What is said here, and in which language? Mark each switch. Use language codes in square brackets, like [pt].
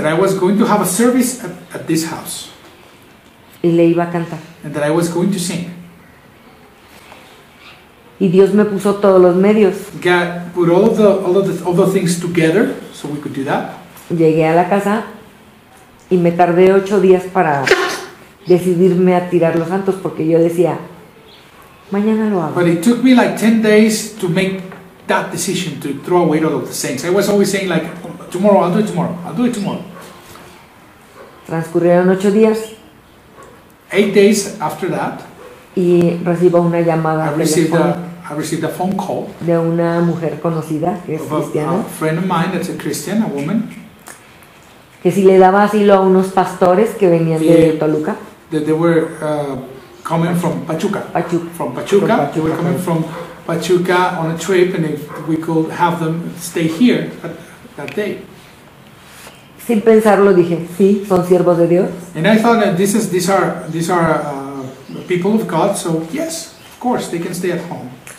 [en] That I was going to have a service at this house. [es] Y le iba a cantar. [en] And that I was going to sing. [es] Y Dios me puso todos los medios. [en] God put all of the things together so we could do that. [es] Llegué a la casa. Y me tardé 8 días para decidirme a tirar los santos porque yo decía, mañana lo hago. [en] But it took me like 10 days to make that decision to throw away all of the saints. I was always saying like, tomorrow, I'll do it tomorrow, I'll do it tomorrow. [es] Transcurrieron 8 días. [en] 8 days after that. [es] Y recibo una llamada. [en] I received a phone call. [es] De una mujer conocida que es cristiana. [en] A friend of mine that's a Christian, a woman. [es] Que si le daba asilo a unos pastores que venían de Toluca. [en] That they were coming from Pachuca. Pachuca. From Pachuca. They were coming from Pachuca on a trip and if we could have them stay here that day. [es] Sin pensarlo dije, sí, son siervos de Dios. [en] And I thought that these are people of God, so yes, of course, they can stay at home.